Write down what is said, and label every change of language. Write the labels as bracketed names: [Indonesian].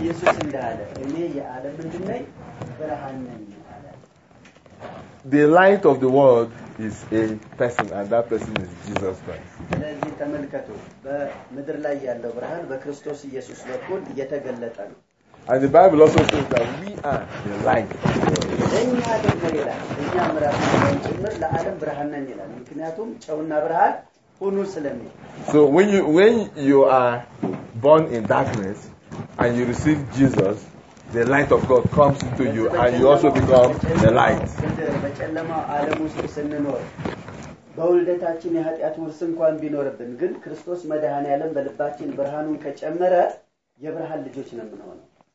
[Amharic] ኢየሱስ እንዳለ እኔ የዓለም እንደነኝ ብርሃን ነኝ አለ። [English] The light of the world is a person and that person is Jesus Christ. [Amharic] ስለዚህ ተመልከቱ በምድር ላይ ያለው ብርሃን በክርስቶስ ኢየሱስ በኩል እየተገለጠ ነው። [English] And the Bible also says that we are the light. [Amharic] እኛ ደግሞ ይላል እኛ ምራቃችን ጭምር ለዓለም ብርሃን ነን ይላል ምክንያቱም ጨውና ብርሃን ሆኖ ስለሚል። [English] So when you are born in darkness and you receive Jesus the light of God comes into you and you also become the light [Amharic] በጨለማው ዓለም ውስጥ ስንኖር በውልደታችን የኃጢአት ውርስ እንኳን ቢኖርብን ግን ክርስቶስ መድኃኔዓለም በልባችን ብርሃኑን ከጨመረ የብርሃን ልጆች ነን ማለት